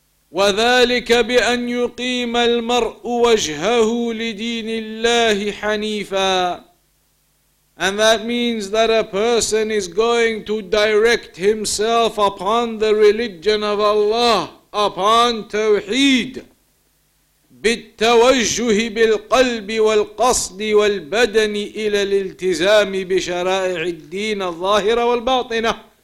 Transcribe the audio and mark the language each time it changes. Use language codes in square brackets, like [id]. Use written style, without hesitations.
[ar] وذلك بأن يقيم المرء وجهه لدين الله حنيفا. [en] And that means that a person is going to direct himself upon the religion of Allah, upon Tawheed. [ar] بالتوجه بالقلب والقصد والبدن إلى الالتزام بشرائع الدين الظاهرة والباطنة.